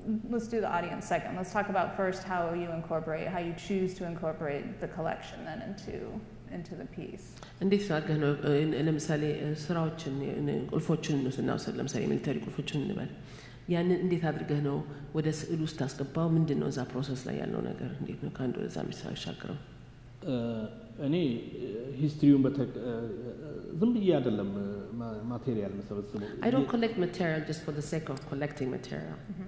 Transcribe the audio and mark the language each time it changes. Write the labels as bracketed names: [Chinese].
[English] Let's do the audience second. Let's talk about first how you incorporate, how you choose to incorporate the collection then into the piece. And this is how we use the military collection. [Amharic] ያንን እንዴት አድርገህ ነው ወደ ስዕል ውስጥ አስገባው ምንድነው እዛ ፕሮሰስ ላይ ያለው ነገር እንዴት ነው ካንዶ እዛ የሚሳሻከረው እኔ ሂስትሪውን ዝም ብዬ አይደለም ማቴሪያል መሰብስቡ [English] I don't collect material just for the sake of collecting material